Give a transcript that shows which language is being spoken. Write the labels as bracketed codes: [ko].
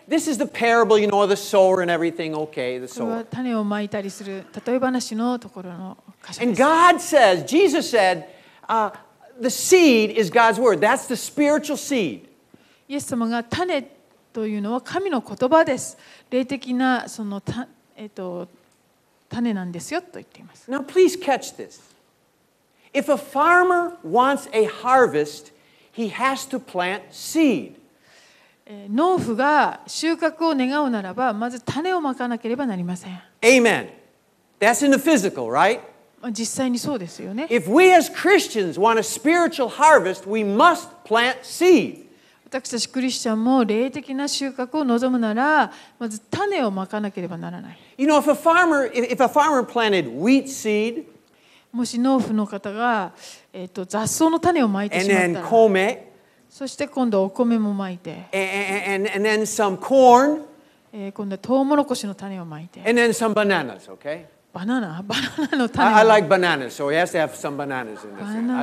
[en] This is the parable, you know, the sower and everything. Okay, the sower. [ja] これは種をまいたりする例え話のところの箇所です。 [en] And God says, Jesus said, the seed is God's word. That's the spiritual seed. [ja] イエス様が種というのは神の言葉です。霊的なその種なんですよと言っています。 [en] Now please catch this. If a farmer wants a harvest, he has to plant seed. [ja] 農夫が収穫を願うならば、まず種をまかなければなりません。 [en] Amen. That's in the physical, right? [ja] 実際にそうですよね。 [en] If we as Christians want a spiritual harvest, we must plant seed. [ja] 私たちクリスチャンも霊的な収穫を望むなら、まず種をまかなければならない。 [en] You know, if a farmer planted wheat seed, [ja] もし農夫の方が、雑草の種をまいてしまったら、 [en] and then [ja] 米、そして今度お米もまいて、 [en] and then some corn, [ja] 今度トウモロコシの種をまいて、 [en] and then some bananas, okay? [ja] バナナの種。 [en] I like bananas, so he has to have some bananas in this.